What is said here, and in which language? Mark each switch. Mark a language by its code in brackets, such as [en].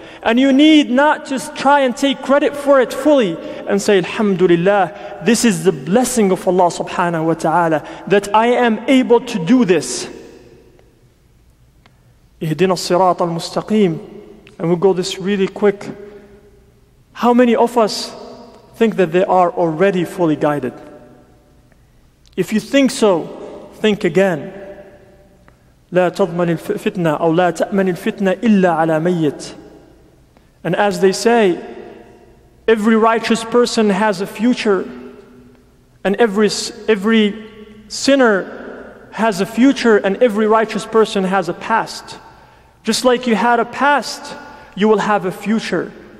[en] And you need not just try and take credit for it fully and say, Alhamdulillah, this is the blessing of Allah subhanahu wa ta'ala that I am able to do this. [ar] اهدنا الصراط المستقيم. [en] And we'll go this really quick. How many of us think that they are already fully guided? If you think so, think again. [ar] لا تضمن الفتنة أو لا تأمن الفتنة إلا على ميت. [en] And as they say, every righteous person has a future, and every sinner has a future, and every righteous person has a past. Just like you had a past, you will have a future.